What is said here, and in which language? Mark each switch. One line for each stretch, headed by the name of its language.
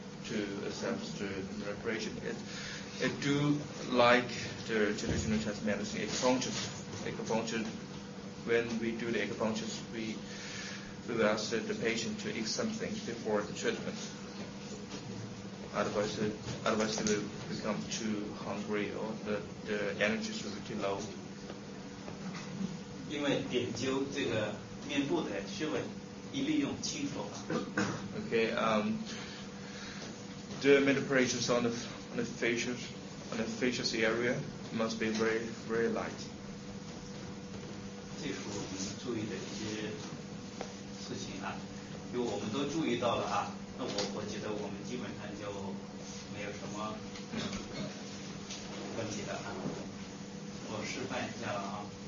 English: to accept the reparation. It do like the traditional Chinese medicine, acupuncture. When we do the acupuncture, we ask the patient to eat something before the treatment. Otherwise they will become too hungry or the energy will be too low.
Chinese: 因为点灸这个面部的穴位一律用清除法。Okay,
English: the preparations on the facial area must be very very light.
Chinese: 这是我们注意的一些事情啊，因为我们都注意到了啊，那我觉得我们基本上就没有什么问题的啊，我示范一下了啊。